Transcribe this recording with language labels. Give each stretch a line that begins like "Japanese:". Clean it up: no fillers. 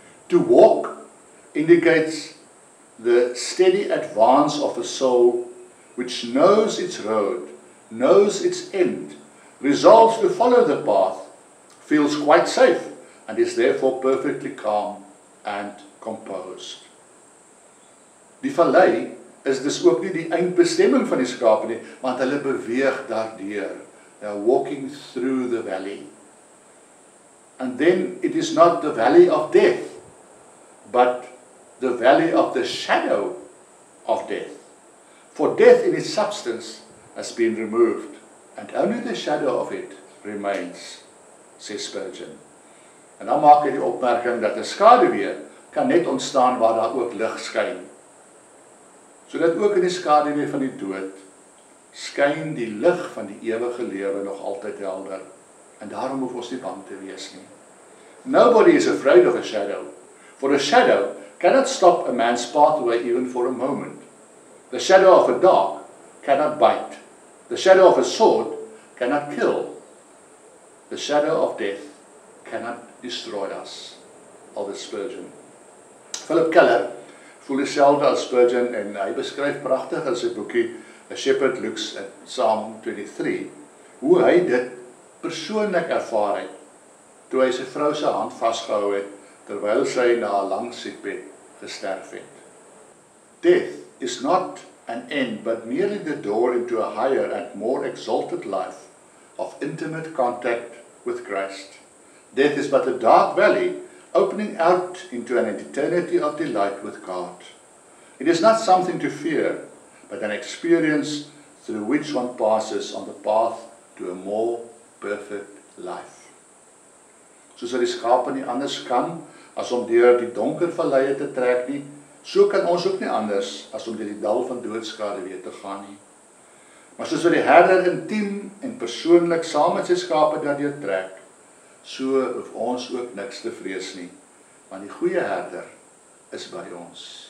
English: To walk indicates the steady advance of a soul which knows its road, knows its end, resolves to follow the path, feels quite safe, and is therefore perfectly calm and composed.
Afrikaans: Die vallei is dus ook nie die eindbestemming van die skape nie, want hulle beweeg daardeur.
English: They are walking through the valley. And then it is not the valley of death, but the valley of the shadow of death. For death in its substance has been removed, and only the shadow of it remains, sê Spurgeon.
Afrikaans: En dan maak hy die opmerking dat 'n skaduwee kan net ontstaan waar daar ook lig skyn. Sodat ook in die skaduwee van die dood skyn die lig van die ewige lewe nog altyd helder. En daarom hoef ons nie bang te wees nie.
English: Nobody is afraid of a shadow, for a shadow cannot stop a man's pathway even for a moment. The shadow of a dog cannot bite. The shadow of a sword cannot kill. The shadow of death cannot destroy us. Aldus Spurgeon.
Afrikaans: Philip Keller voel dieselfde as Spurgeon en hy beskryf pragtig in sy boekie A Shepherd Looks at Psalm 23 hoe hy dit persoonlik ervaar het toe hy sy vrou se hand vasgehou het terwyl sy na 'n lang siekbed gesterf het.
English: Death is not an end, but merely the door into a higher and more exalted life of intimate contact with Christ. Death is but a dark valley opening out into an eternity of delight with God. It is not something to fear, but an experience through which one passes on the path to a more perfect life.
Afrikaans: soos wat die skape nie anders kan as om deur die donker valleie te trek nie, so kan ons ook nie anders as om deur die dal van doodskaduwee te gaan nie. Maar soos wat die herder intiem en persoonlik saam met sy skape daardeur trek, so hoef ons ook niks te vrees nie, want die goeie herder is by ons.